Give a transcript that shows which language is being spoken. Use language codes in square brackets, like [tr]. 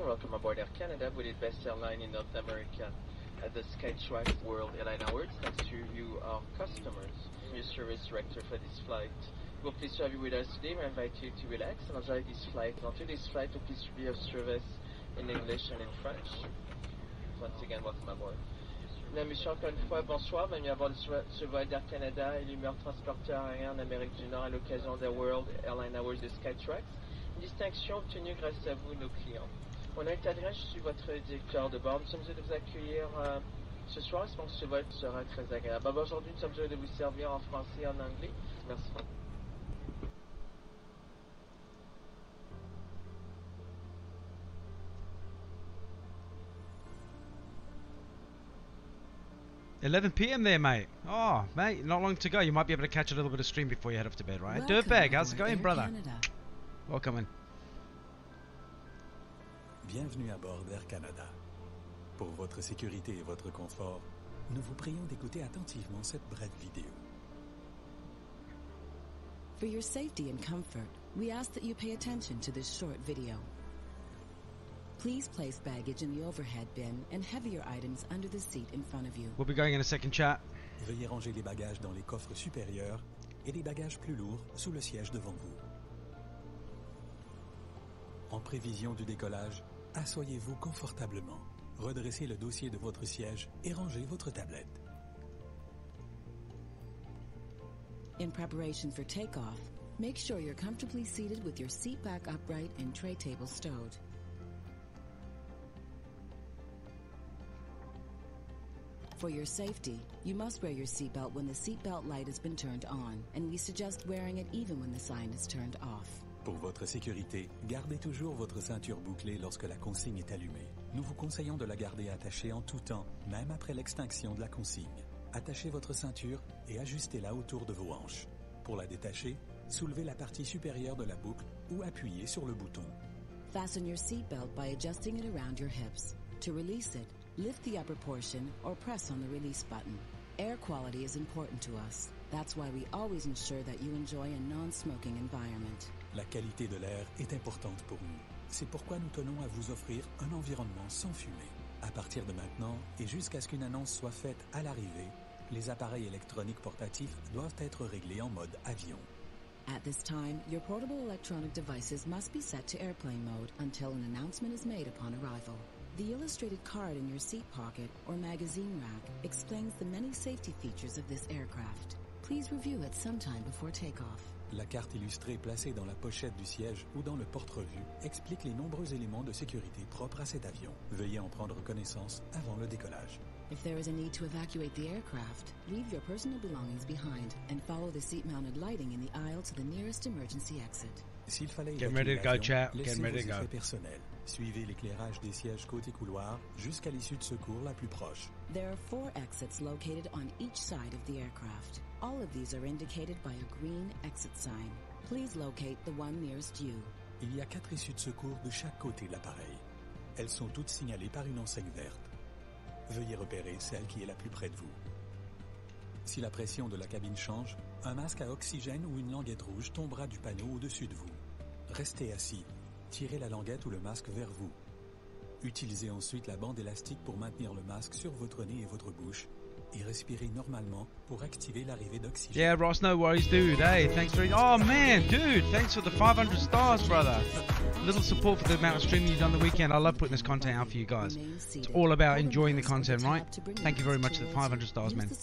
[en] Welcome aboard Air Canada with the best airline in North America at the SkyTrax World Airline Awards. Thanks to you, our customers, your service director for this flight. We're pleased to have you with us today. We invite you to relax and enjoy this flight. And to this flight, we'll please be of service in English and in French. Once again, welcome aboard. [fr] Mesdames et Messieurs, encore une fois, bonsoir. Bienvenue à bord de ce vol d'Air Canada et l'humeur transporteur aérien d'Amérique du Nord à l'occasion des World Airline Awards de Skytrax, une distinction obtenue grâce à vous, nos clients. Mon nom est Adrien, je suis votre directeur de bord. Nous sommes heureux de vous accueillir ce soir. Je pense que ce vol sera très agréable. Aujourd'hui, nous sommes heureux de vous servir en français et en anglais. Merci. [en] PM there, mate. Oh, mate, not long to go. You might be able to catch a little bit of stream before you head off to bed, right? Dirtbag, how's it going, brother? Welcome in. [fr] Bienvenue à bord d'Air Canada. Pour votre sécurité et votre confort, nous vous prions d'écouter attentivement cette brève vidéo. [en] For your safety and comfort, we ask that you pay attention to this short video. Please place baggage in the overhead bin and heavier items under the seat in front of you. We'll be going in a second, chat. [fr] Veuillez ranger les bagages dans les coffres supérieurs et les bagages plus lourds sous le siège devant vous. En prévision du décollage, asseyez-vous confortablement. Redressez le dossier de votre siège et rangez votre tablette. [en] In preparation for takeoff, make sure you're comfortably seated with your seat back upright and tray table stowed. For your safety, you must wear your seatbelt when the seatbelt light has been turned on, and we suggest wearing it even when the sign is turned off. [fr] Pour votre sécurité, gardez toujours votre ceinture bouclée lorsque la consigne est allumée. Nous vous conseillons de la garder attachée en tout temps, même après l'extinction de la consigne. Attachez votre ceinture et ajustez-la autour de vos hanches. Pour la détacher, soulevez la partie supérieure de la boucle ou appuyez sur le bouton. [en] Fasten your seatbelt by adjusting it around your hips. To release it, lift the upper portion or press on the release button. Air quality is important to us. That's why we always ensure that you enjoy a non-smoking environment. [fr] La qualité de l'air est importante pour nous. C'est pourquoi nous tenons à vous offrir un environnement sans fumée. À partir de maintenant et jusqu'à ce qu'une annonce soit faite à l'arrivée, les appareils électroniques portatifs doivent être réglés en mode avion. [en] At this time, your portable electronic devices must be set to airplane mode until an announcement is made upon arrival. The illustrated card in your seat pocket or magazine rack explains the many safety features of this aircraft. Please review it sometime before takeoff. [fr] La carte illustrée placée dans la pochette du siège ou dans le porte-revue explique les nombreux éléments de sécurité propres à cet avion. Veuillez en prendre connaissance avant le décollage. [en] If there is a need to evacuate the aircraft, leave your personal belongings behind and follow the seat-mounted lighting in the aisle to the nearest emergency exit. [fr] S'il fallait évacuer l'avion, laissez vos effets personnels. Suivez l'éclairage des sièges côté couloir jusqu'à l'issue de secours la plus proche. [en] There are four exits located on each side of the aircraft. All of these are indicated by a green exit sign. Please locate the one nearest you. [fr] Il y a quatre issues de secours de chaque côté de l'appareil. Elles sont toutes signalées par une enseigne verte. Veuillez repérer celle qui est la plus près de vous. Si la pression de la cabine change, un masque à oxygène ou une languette rouge tombera du panneau au-dessus de vous. Restez assis. Tirez la languette ou le masque vers vous. Utilisez ensuite la bande élastique pour maintenir le masque sur votre nez et votre bouche et respirez normalement pour activer l'arrivée d'oxygène. [en] Yeah, Ross, no worries, dude. Hey, thanks for... Oh, man, dude, thanks for the 500 stars, brother. A little support for the amount of streaming you've done the weekend. I love putting this content out for you guys. It's all about enjoying the content, right? Thank you very much for the 500 stars, man.